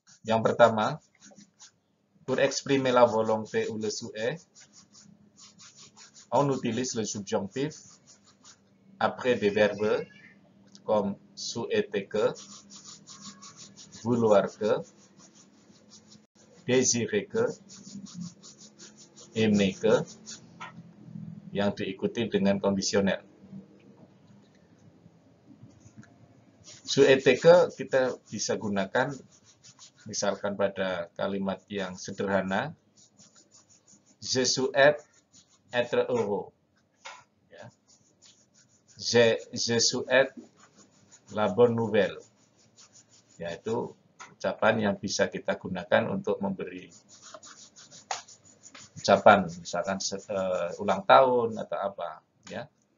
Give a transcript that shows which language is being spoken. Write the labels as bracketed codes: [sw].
[id] Yang pertama, [fr] pour exprimer la volonté ou le souhait, on utilise le subjonctif après des verbes comme souhaiter que, vouloir que, désirer que, aimer que, [id] yang diikuti dengan kondisional. Souhaiter que kita bisa gunakan misalkan pada kalimat yang sederhana. [fr] Je souhaite être heureux. Je souhaite la bonne nouvelle. [id] Yaitu ucapan yang bisa kita gunakan untuk memberi ucapan, misalkan ulang tahun atau apa, ya.